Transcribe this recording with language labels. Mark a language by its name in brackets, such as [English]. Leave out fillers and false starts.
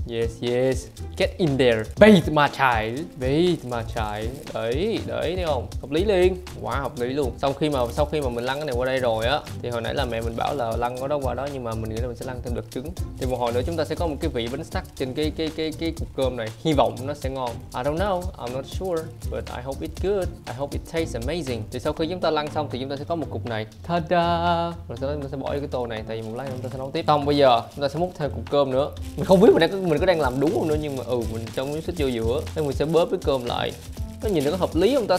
[English] Yes, yes. Get in there. Bathe my child. Bathe my child. [Vietnamese] Đấy, đấy thấy không? Hợp lý liền. Quá hợp lý luôn. Sau khi mà mình lăn cái này qua đây rồi á thì hồi nãy là mẹ mình bảo là lăn qua đó qua đó nhưng mà mình nghĩ là mình sẽ lăn thêm được trứng. Thì một hồi nữa chúng ta sẽ có một cái vị bánh sắc trên cái cục cơm này. Hy vọng nó sẽ ngon. [English] I don't know. I'm not sure, but I hope it's good. I hope it tastes amazing. [Vietnamese] Thì sau khi chúng ta lăn xong thì chúng ta sẽ có một cục này. Ta-da. Rồi sau đó chúng ta sẽ bỏ cái tô này tại vì một lát chúng ta sẽ nấu tiếp. Xong bây giờ chúng ta sẽ múc thêm cục cơm nữa. Mình không biết mình có đang làm đúng không nữa nhưng mà mình trong miếng xích vô giữa nên mình sẽ bóp cái cơm lại. Nó nhìn nó có hợp lý không ta?